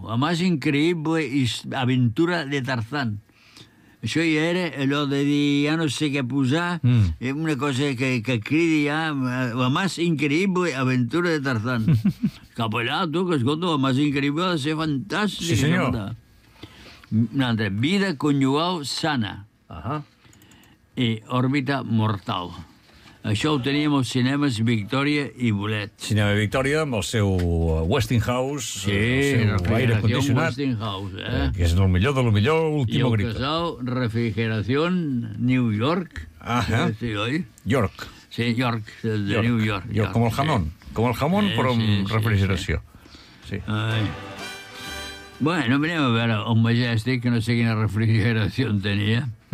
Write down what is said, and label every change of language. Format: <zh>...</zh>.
<es>La más increíble aventura de Tarzán.</es> <ca>Això ja era allò de dir, ja no sé què posar, és una cosa que cridi ja, la más increíble aventura de Tarzán. Cap allà, tu, que escolta, la más increíble ha de ser fantàstica. Sí, senyor. Una altra, vida conyugal sana. I òrbita mortal. Això ho teníem als cinemes Victòria i Bolet. Cinema Victòria amb el seu Westinghouse, sí, el seu aire condicionat. Sí, Westinghouse, eh? Que és el millor de lo millor, Último Grito. I el casal Refrigeración New York. Ah, sí, oi? York. Sí, York, de York. New York. York. Com el jamón. Sí. Com el jamón, però amb refrigeració. Sí. Ai. Bueno, anem a veure el Majestic, que no sé quina refrigeració tenia.</ca>